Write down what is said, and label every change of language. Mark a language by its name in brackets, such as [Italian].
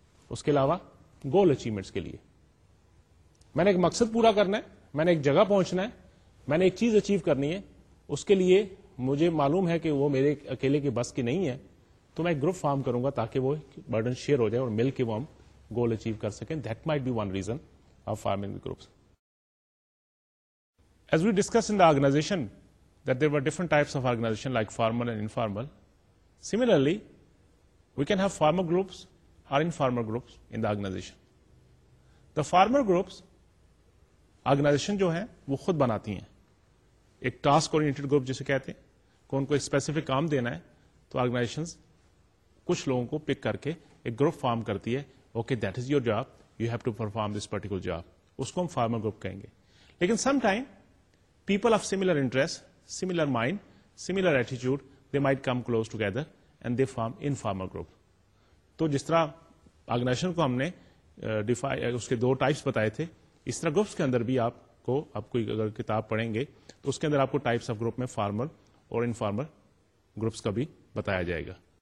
[Urdu] اس کے علاوہ گول اچیومنٹس کے لیے, میں نے ایک مقصد پورا کرنا ہے, میں نے ایک جگہ پہنچنا ہے, میں نے ایک چیز اچیو کرنی ہے, اس کے لیے مجھے معلوم ہے کہ وہ میرے اکیلے کے بس کی نہیں ہے, تو میں ایک گروپ فارم کروں گا تاکہ وہ برڈن شیئر ہو جائے اور مل کے وہ ہم گول اچیو کر سکیں. [English] That might be one reason of forming groups. As we discuss in the organization that there are different types of organization like formal and informal, similarly we can have farmer groups or in farmer groups in the organization. [Urdu] The former groups organization جو ہیں وہ خود بناتی ہیں. ایک task oriented group جسے کہتے ہیں, کون کو ایک اسپیسیفک کام دینا ہے, تو آرگنائزیشن کچھ لوگوں کو پک کر کے ایک گروپ فارم کرتی ہے, [English] okay that is your job, you have to perform this particular job, [Urdu] اس کو ہم فارمر گروپ کہیں گے. [English] لیکن some time people of similar interest, similar mind, similar ایٹیچیوڈ, they might come close together and they form in farmer group. [Urdu] تو جس طرح organization کو ہم نے اس کے دو ٹائپس بتائے تھے, اس طرح گروپس کے اندر بھی آپ کو, آپ کو اگر کتاب پڑھیں گے تو اس کے اندر آپ کو ٹائپس آف گروپ میں فارمر اور انفارمر گروپس کا بھی بتایا جائے گا.